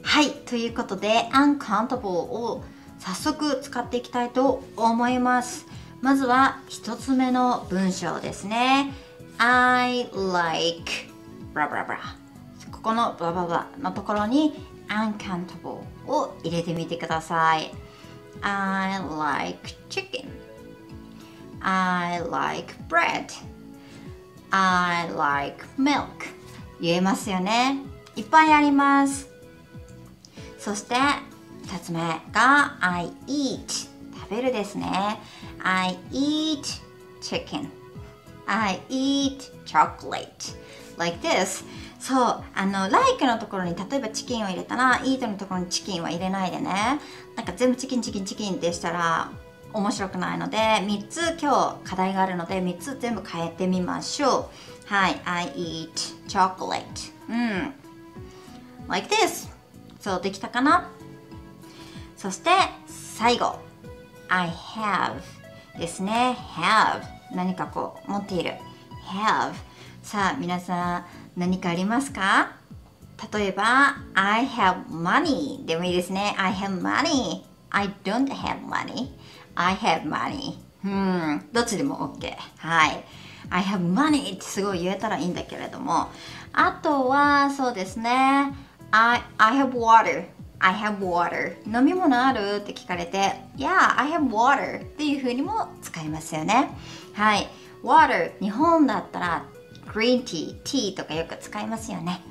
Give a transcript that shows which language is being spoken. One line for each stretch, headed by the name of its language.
Japanese: はい、ということで uncountable を早速使っていきたいと思います。まずは一つ目の文章ですね。
English: I like blah blah blah、
Japanese: ここの blah blah blah のところに uncountable を入れてみてください。
English: I like chicken、 I like bread、 I like milk、
Japanese: 言えますよね。いっぱいあります。そして2つ目が
English: I eat、
Japanese: 食べるですね。
English: I eat chicken、 I eat chocolate、
Japanese: like this。そう、あの like のところに例えばチキンを入れたら、 eat のところにチキンは入れないでね。なんか全部チキンチキンチキンってしたら面白くないので、3つ今日課題があるので3つ全部変えてみましょう。はい、
English: I eat chocolate、 like this。
Japanese: そう、できたかな。そして最後、
English: I have
Japanese: ですね。 have、 何かこう持っている have。さあ皆さん何かありますか？例えば
English: I have money
Japanese: でもいいですね。
English: I have money、 I don't have money、 I have money、
Japanese: どっちでも OK。 はい、 I have money ってすごい言えたらいいんだけれども、あとはそうですね、
English: I have water、 I have water、
Japanese: 飲み物あるって聞かれて、
English: Yeah, I have water
Japanese: っていう風にも使いますよね。はい、 water、 日本だったら green tea、 tea とかよく使いますよね。